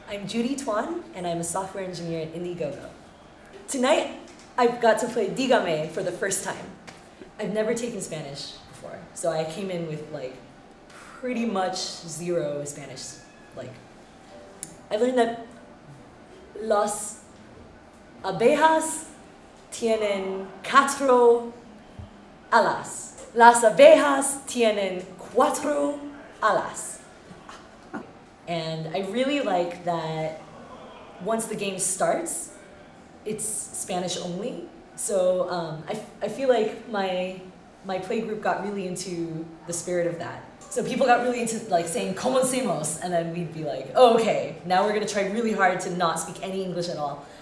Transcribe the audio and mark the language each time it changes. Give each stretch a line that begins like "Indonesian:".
English: I'm Judy Twan, and I'm a software engineer at Indiegogo. Tonight, I've got to play Dígame for the first time. I've never taken Spanish before, so I came in with, like, pretty much zero Spanish. Like, I learned that
Spanish: las abejas tienen cuatro alas. Las abejas tienen cuatro alas.
English: And I really like that once the game starts, it's Spanish only. So I feel like my playgroup got really into the spirit of that. So people got really into like saying,
Spanish: ¿cómo hacemos?
English: And then we'd be like, oh, okay, now we're gonna try really hard to not speak any English at all.